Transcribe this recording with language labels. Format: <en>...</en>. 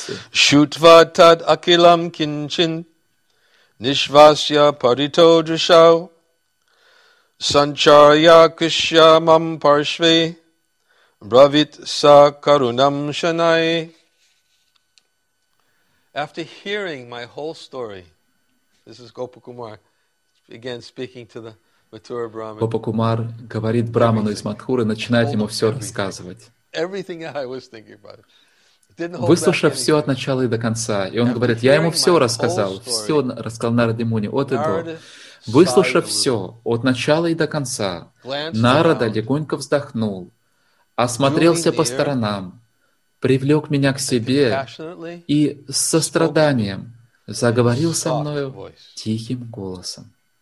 <sa>Шутва тад акилам кинчин нишвасья парито джишау санчарья кишья мам паршве бравит са карунам шанай.</sa> <en>After hearing my whole story, this is Gopakumar, again speaking to the Mathura Brahman.</en> <ru>Гопакумар говорит Браману из Матхуры, начинает ему все рассказывать.</ru> <en>Everything I was thinking about.</en> <ru>Выслушав все от начала и до конца, и он говорит, я ему все рассказал, все рассказал Нараде Муни от и до. Выслушав все от начала и до конца, Нарада легонько вздохнул, осмотрелся по сторонам, привлек меня к себе и с состраданием заговорил со мною тихим голосом.</ru>